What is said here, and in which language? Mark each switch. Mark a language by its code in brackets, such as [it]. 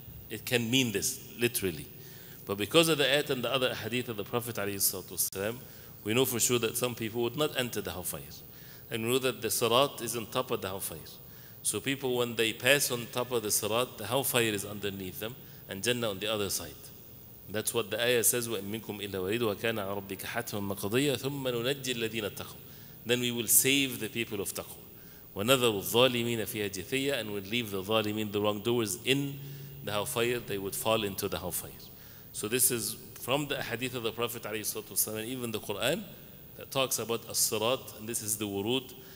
[en] It can mean this literally. But because of the ayat and the other hadith of the Prophet ﷺ, we know for sure that some people would not enter the hellfire. And we know that the sirat is on top of the hellfire. So people, when they pass on top of the sirat, the hellfire is underneath them, and Jannah on the other side. That's what the ayah says, [ar] وَإِن مِنْكُمْ إِلَّا وَارِدُهَا كَانَ عَلَى رَبِّكَ حَتْمًا مَقْضِيًّا ثُمَّ نُنَجِّي الَّذِينَ اتَّقَوْا. [en] Then we will save the people of taqwa. [ar] وَنَذَرُ الظَّالِمِينَ فِيهَا جِثِيًّا, [en] and we'll leave the ظَالِمِينَ, the wrongdoers, in the hellfire. They would fall into the hellfire. So this is from the hadith of the Prophet ﷺ, and even the Quran that talks about as-sirat, and this is the wurud.